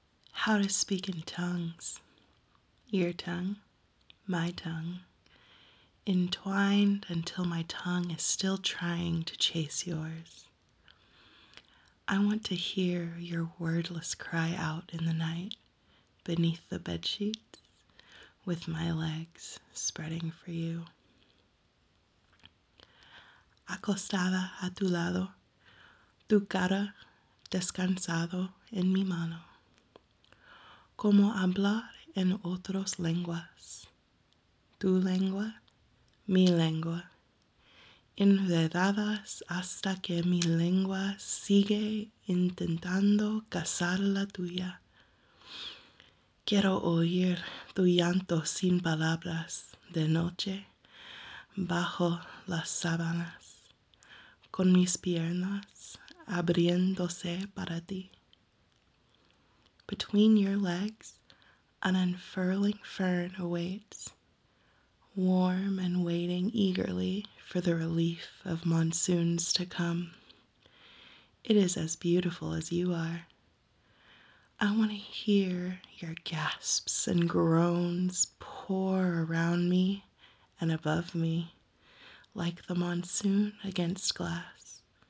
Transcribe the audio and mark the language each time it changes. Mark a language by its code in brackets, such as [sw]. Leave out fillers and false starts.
[en] How to speak in tongues. Your tongue, my tongue, entwined until my tongue is still trying to chase yours. I want to hear your wordless cry out in the night, beneath the bedsheets, with my legs spreading for you. [es] Acostada a tu lado, tu cara descansado en mi mano. Como hablar en otras lenguas, tu lengua, mi lengua, enredadas hasta que mi lengua sigue intentando cazar la tuya. Quiero oír tu llanto sin palabras de noche bajo las sábanas, con mis piernas abriéndose para ti. [en] Between your legs, an unfurling fern awaits, warm and waiting eagerly for the relief of monsoons to come. It is as beautiful as you are. I want to hear your gasps and groans pour around me and above me, like the monsoon against glass.